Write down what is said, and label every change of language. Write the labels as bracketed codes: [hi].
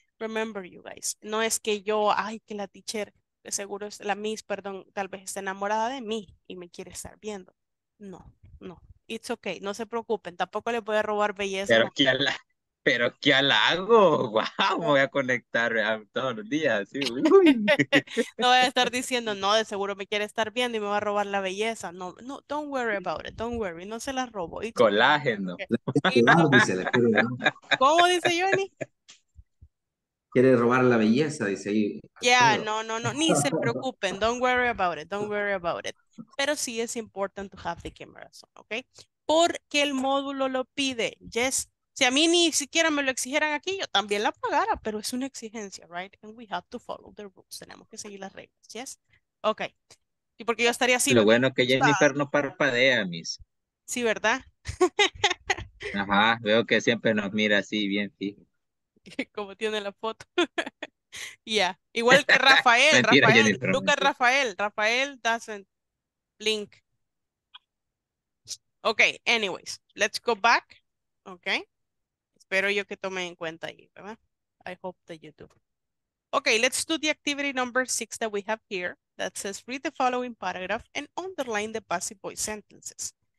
[en] Remember, you guys. [es] No es que yo, ay, que la teacher, de seguro es la Miss, perdón, tal vez está enamorada de mí y me quiere estar viendo. [en] No, it's okay, [es] no se preocupen, tampoco les voy a robar belleza. Pero qué halago, wow, voy a conectar todos los días. ¿Sí? No voy a estar diciendo, no, de seguro me quiere estar viendo y me va a robar la belleza. [en] No, no, don't worry about it, don't worry, [es] no se la robo. [en] It's colágeno. [es] Okay. ¿Cómo dice Johnny? Quiere robar la belleza, dice ahí. [en] Yeah, no, [es] ni se preocupen. [en] Don't worry about it. [es] Pero sí es [en] important to have the cameras on, [es] ¿ok? Porque el módulo lo pide. Yes, si a mí ni siquiera me lo exigieran aquí, yo también la pagara, pero es una exigencia, right? [en] And we have to follow the rules. [es] Tenemos que seguir las reglas, yes? Ok. Y porque yo estaría así. Lo bueno que Jennifer no parpadea, mis. Sí, ¿verdad? Ajá, veo que siempre nos mira así, bien fijo. Como tiene la foto. Ya. Yeah. Igual que Rafael. Mentira, Rafael. Jennifer, [en] Rafael doesn't link. Okay, anyways, let's go back. Okay. [es] Espero yo que tome en cuenta ahí, ¿verdad? [en] I hope that you do. Okay, let's do the activity number 6 that we have here that says read the following paragraph and underline the passive voice sentences.